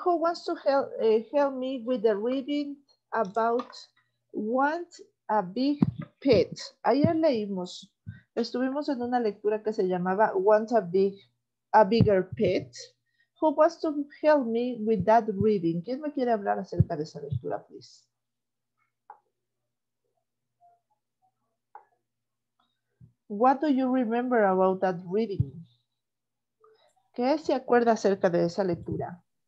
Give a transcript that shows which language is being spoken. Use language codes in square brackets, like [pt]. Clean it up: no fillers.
[en] Who wants to help me with the reading about want a big pet? [es] Ayer leímos, estuvimos en una lectura que se llamaba [en] want a bigger pet. Who wants to help me with that reading? [es] ¿Quién me quiere hablar acerca de esa lectura, please? [en] What do you remember about that reading? [es] ¿Qué se acuerda acerca de esa lectura?